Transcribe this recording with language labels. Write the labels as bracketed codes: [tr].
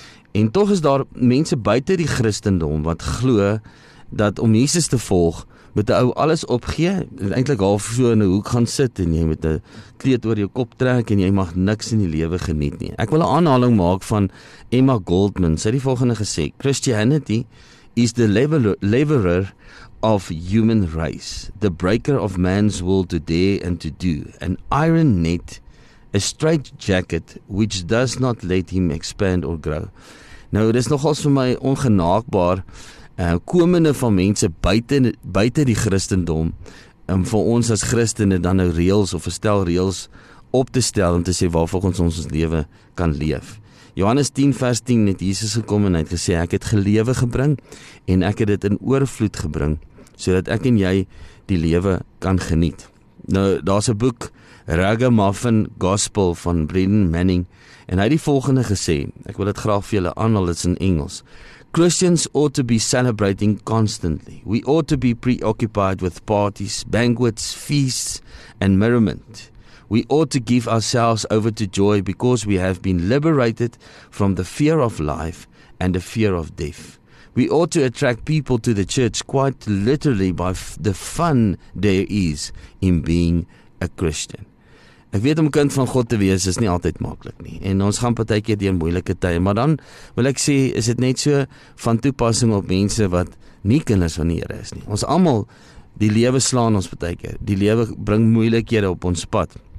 [af] En tog is daar mense buite die Christendom wat glo dat om Jesus te volg met 'n ou alles opgee, eintlik half so in 'n hoek gaan sit en jy met 'n kleed oor jou kop trek en jy mag niks in die lewe geniet nie. Ek wil 'n aanhaling maak van Emma Goldman. Sy het die volgende gesê: [en] Christianity is the leveler of human race, the breaker of man's will to dare and to do, an iron net, a straitjacket which does not let him expand or grow. [af] Nou, dit is nogals vir my ongenaakbaar komende van mense buite die Christendom vir ons as Christene dan nou reëls of 'n stel reëls op te stel om te sê waarvolgens ons lewe kan leef. Johannes 10 vers 10 het Jesus gekom en hy het gesê ek het gelewe gebring en ek het dit in oorvloed gebring sodat ek en jy die lewe kan geniet. Nou daar's 'n boek Ragamuffin Gospel van Brendan Manning en hy het die volgende gesê. Ek wil dit graag vir julle aanhaal, dit's in Engels. [en] Christians ought to be celebrating constantly. We ought to be preoccupied with parties, banquets, feasts, and merriment. We ought to give ourselves over to joy because we have been liberated from the fear of life and the fear of death. We ought to attract people to the church quite literally by the fun there is in being a Christian. [af] Ek weet om kind van God te wees is nie altyd maklik nie. En ons gaan partykeer deur moeilike tye, maar dan wil ek sê is dit net so van toepassing op mense wat nie kinders van die Here is nie. Ons almal, die lewe slaan ons partykeer. Die lewe bring moeilikhede op ons pad.